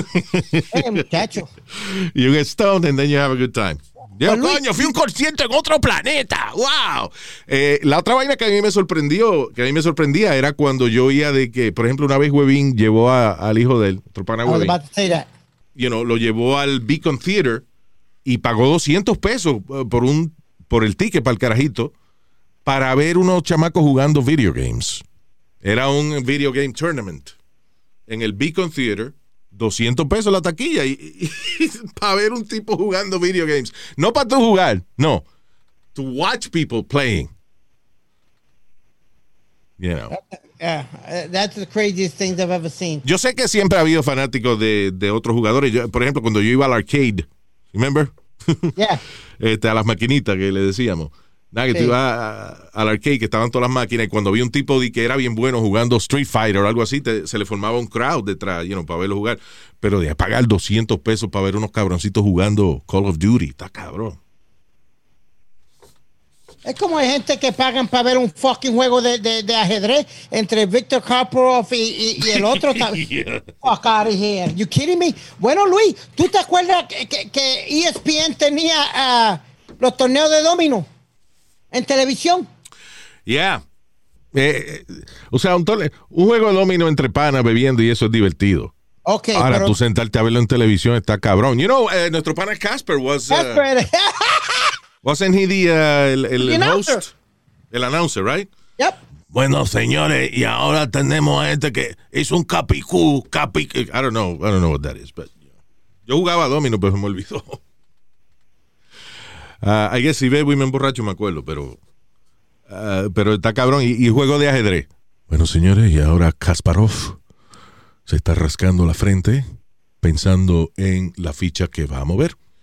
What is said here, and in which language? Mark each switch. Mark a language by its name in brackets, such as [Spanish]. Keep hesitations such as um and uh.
[English] Y hey, you get stoned and then you have a good time. Well, yeah, [Spanish] coño, Luis, fui un concierto en otro planeta. ¡Wow! Eh, la otra vaina que a mí me sorprendió, que a mí me sorprendía, era cuando yo oía de que, por ejemplo, una vez Webin llevó al hijo del Tropana Webin. [English] You know, [Spanish] lo llevó al Beacon Theater y pagó 200 pesos por un por el ticket para el carajito para ver unos chamacos jugando video games. Era un video game tournament en el Beacon Theater. 200 pesos la taquilla y, y, y para ver un tipo jugando video games. No para tú jugar, no. [English] To watch people playing. You know. Yeah, uh, uh, that's the craziest things I've ever seen. [Spanish] Yo sé que siempre ha habido fanáticos de, de otros jugadores. Yo, por ejemplo, cuando yo iba al arcade, [English] remember? [Spanish] Yeah. Este, a las maquinitas que le decíamos. Nada, okay. que tú ibas al arcade, que estaban todas las máquinas, y cuando vi un tipo de, que era bien bueno jugando Street Fighter o algo así, te, se le formaba un crowd detrás, [English] you know, [Spanish] para verlo jugar. Pero de pagar 200 pesos para ver unos cabroncitos jugando Call of Duty, está cabrón. Es como hay gente que pagan para ver un fucking juego de, de, de ajedrez entre Víctor Karpov y, y, y, el otro. [English] Fuck out of here. You kidding me? [Spanish] Bueno, Luis, ¿tú te acuerdas que, que, que ESPN tenía uh, los torneos de domino en televisión? [English] Yeah. [Spanish] Eh, o sea, un, un, juego de domino entre panas bebiendo y eso es divertido. Okay, Ahora, pero... tú sentarte a verlo en televisión está cabrón. [English] You know, [Spanish] uh, nuestro pana Casper was... Uh... [English] Wasn't he the, uh, el, el the announcer. Host? El announcer, right? Yep. [Spanish] Bueno, señores, y ahora tenemos a este que es un capicú, capicú. [English] I don't know, I don't know what that is, but you know. [Spanish] yo jugaba a domino, pero me olvidó. Uh, [English] I guess [Spanish] si veo y me emborracho, me acuerdo, pero uh, pero está cabrón. Y, y juego de ajedrez. Bueno, señores, y ahora Kasparov se está rascando la frente pensando en la ficha que va a mover.